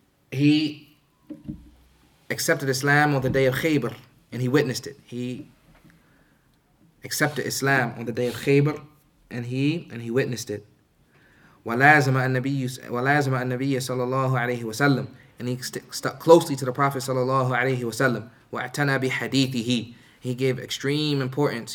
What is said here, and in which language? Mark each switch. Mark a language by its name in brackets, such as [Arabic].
[English] he accepted Islam on the day of Khaybar, and he witnessed it. He accepted Islam on the day of Khaybar, and he witnessed it. [Arabic] ولازم النبي صلى الله عليه وسلم, [English] and he stuck closely to the Prophet صلى الله عليه وسلم. [Arabic] واعتنى بحديثه, [English] he gave extreme importance.